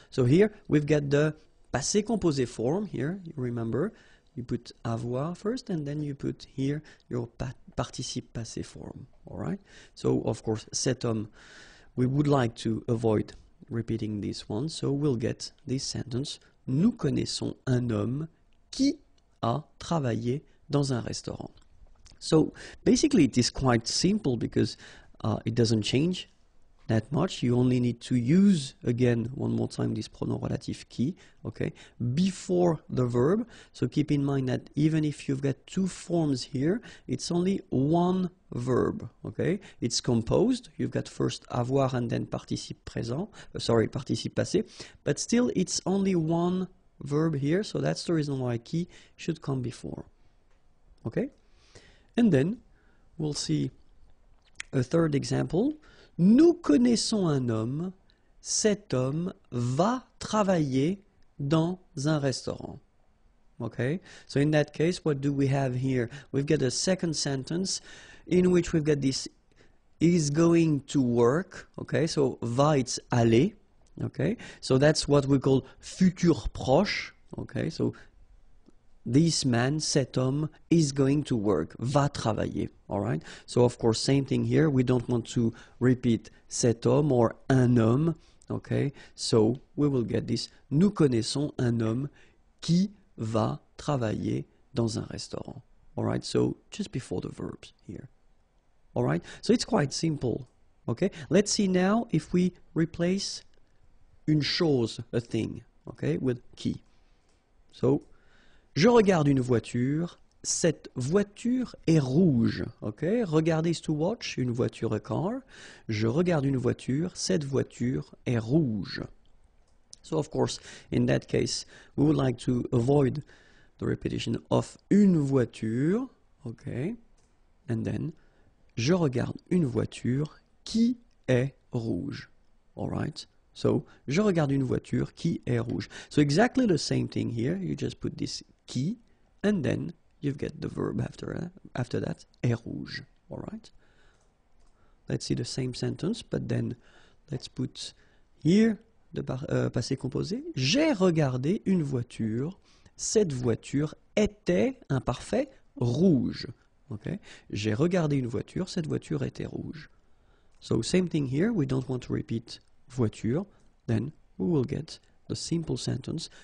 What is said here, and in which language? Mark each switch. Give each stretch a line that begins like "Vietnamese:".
English: So here we've got the passé composé form here, you remember, you put avoir first and then you put here your participe passé form, all right? So of course,
French: cet homme,
English: we would like to avoid repeating this one, so we'll get this sentence.
French: Nous connaissons un homme qui a travaillé dans un restaurant.
English: So basically it is quite simple because it doesn't change that much. You only need to use again one more time this pronom relatif qui, okay, before the verb. So keep in mind that even if you've got two forms here, it's only one verb, okay? It's composed. You've got first avoir and then participe présent, participe passé, but still it's only one verb here, so that's the reason why qui should come before. Okay? And then we'll see a third example.
French: Nous connaissons un homme, cet homme va travailler dans un restaurant.
English: Okay, so in that case, what do we have here? We've got a second sentence in which we've got this is going to work. Okay, so va, it's aller. Okay, so that's what we call futur proche. Okay, so this man,
French: cet homme,
English: is going to work,
French: va travailler,
English: all right? So of course, same thing here, we don't want to repeat cet homme or un homme, okay? So we will get this,
French: nous connaissons un homme qui va travailler dans un restaurant,
English: all right? So just before the verbs here, all right? So it's quite simple, okay? Let's see now if we replace une chose, a thing, okay, with qui.
French: So je regarde une voiture, cette voiture est rouge. Okay, regarder
English: is to watch,
French: une voiture,
English: a car.
French: Je regarde une voiture, cette voiture est rouge.
English: So of course, in that case, we would like to avoid the repetition of une voiture. Okay, and then,
French: je regarde une voiture qui est rouge.
English: All right.
French: So, je regarde une voiture qui est rouge.
English: So exactly the same thing here, you just put this qui, and then you've got the verb after that,
French: est rouge,
English: all right? Let's see the same sentence, but then let's put here the passé composé.
French: J'ai regardé une voiture, cette voiture était imparfait rouge, okay? J'ai regardé une voiture, cette voiture était rouge.
English: So same thing here, we don't want to repeat voiture, then we will get the simple sentence.